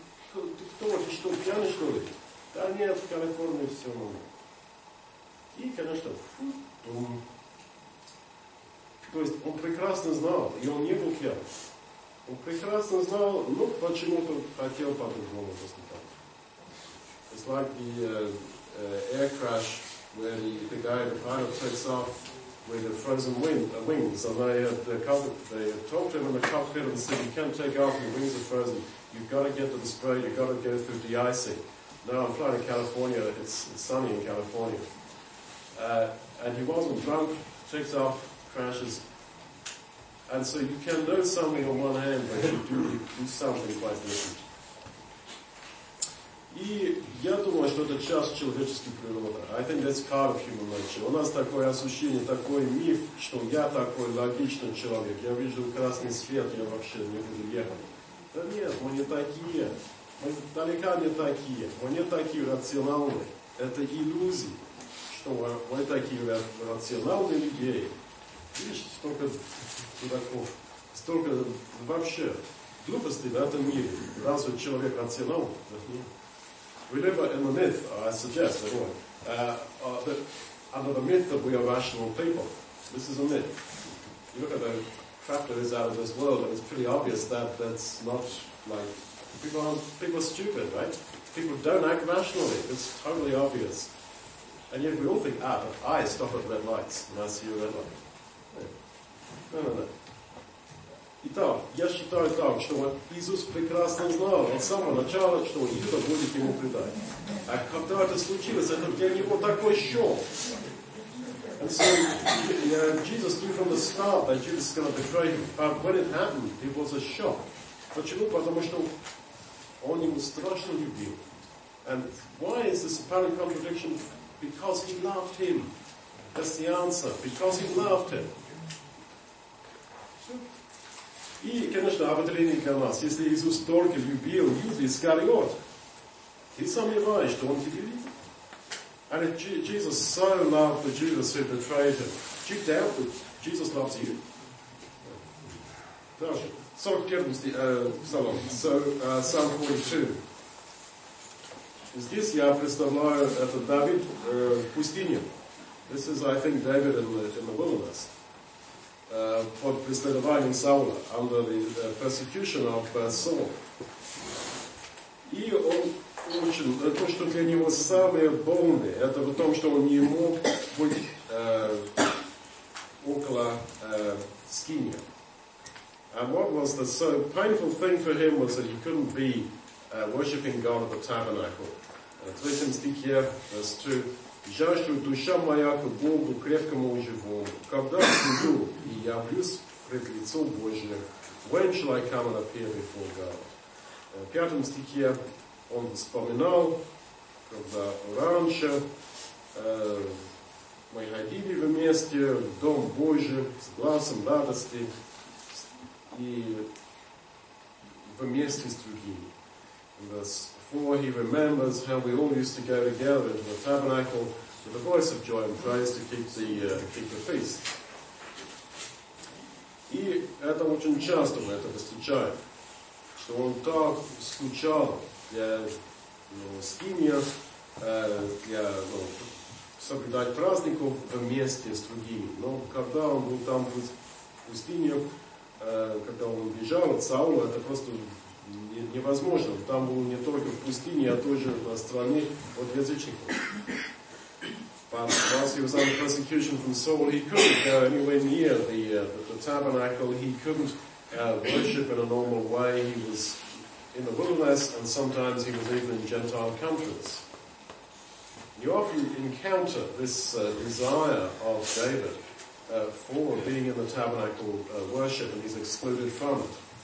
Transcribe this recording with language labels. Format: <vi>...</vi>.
<ru>Ты кто? Ты что, пьяный что ли? Да нет, в Калифорнии все. И, конечно, То есть он прекрасно знал, и он не был пьян. Он прекрасно знал, но почему-то хотел по-другому поступать.</ru> <en>It's like the air crash where the guy, the pilot, takes off with a frozen wings, and they talked to him in the cockpit and said, "You can't take off, your wings are frozen. You've got to get to the spray, you've got to go through the icing. Now I'm flying to California, it's sunny in California." And he wasn't drunk, takes off, crashes. And so you can learn something on one hand, but you do something quite different.</en> <ru>И я думаю, что это часть человеческой природы.</ru> <en>I think that's part of human nature.</en> <ru>У нас такое ощущение, такой миф, что я такой логичный человек. Я вижу красный свет, я вообще не буду ехать. Да нет, мы не такие. Мы далеко не такие. Мы не такие рациональные. Это иллюзии, что мы такие рациональные людей. Видишь, столько дураков. Столько вообще глупостей в этом мире. Разве человек рационал? Да нет.</ru> <en>We live in a myth, I suggest, anyway, that under the myth that we are rational people, this is a myth. You look at the crap that is out of this world, and it's pretty obvious that that's not, like, people are stupid, right? People don't act rationally, it's totally obvious. And yet we all think, but I stop at red lights, and I see a red light. No.</en> <ru>Итак, я считаю так, что вот Иисус прекрасно знал от самого начала, что Иуда будет ему предать. А когда это случилось, это для него такой шок.</ru> <en>And so Jesus knew from the start that Judas was going to betray him. But when it happened, it was a shock.</en> <ru>Почему? Потому что он его страшно любил.</ru> <en>And why is this apparent contradiction? Because he loved him. That's the answer. Because he loved him.</en> <ru>И, конечно, об отрении для нас. Если Иисус только любил Юду Искариот, ты сомневаешься, что он тебе любит?</ru> <en>And if Jesus so loved the Judas who betrayed him, do you doubt that Jesus loves you?</en> <ru>Дальше. 42. Здесь я представляю это Давид в пустыне.</ru> <en>This is, I think, David in the wilderness.</en> <ru>Под преследованием Саула,</ru> <en>under the persecution of Saul.</en> <ru>И он очень, то, что для него самое больное, это в том, что он не мог быть около скинии.</ru> <en>And what was the so painful thing for him was that he couldn't be worshipping God at the tabernacle.</en> <ru>Третьем стихе,</ru> <en>verse 2.</en> <ru>Жаль, что душа моя к Богу крепкому и живому. Когда сижу и явлюсь пред лицом Божьим,</ru> <en>when shall I come and appear before God?</en> <ru>В пятом стихе он вспоминал, когда раньше мы ходили вместе в Дом Божий с глазом радости и вместе с другими.</ru> <en>For he remembers how we all used to go together into the tabernacle with a voice of joy and praise to keep the feast.</en> <ru>И это очень часто мы это встречаем, что он так скучал для скиния, для соблюдать праздников вместе с другими. Но когда он был там в пустыне, когда он бежал от Саула, это просто невозможно. Там был не только в пустыне, а тоже на стороне от язычников.</ru> <en>But whilst he was under persecution from Saul, he couldn't go anywhere near the tabernacle. He couldn't worship in a normal way. He was in the wilderness, and sometimes he was even in Gentile countries. You often encounter this desire of David for being in the tabernacle worship, and he's excluded from it.</en>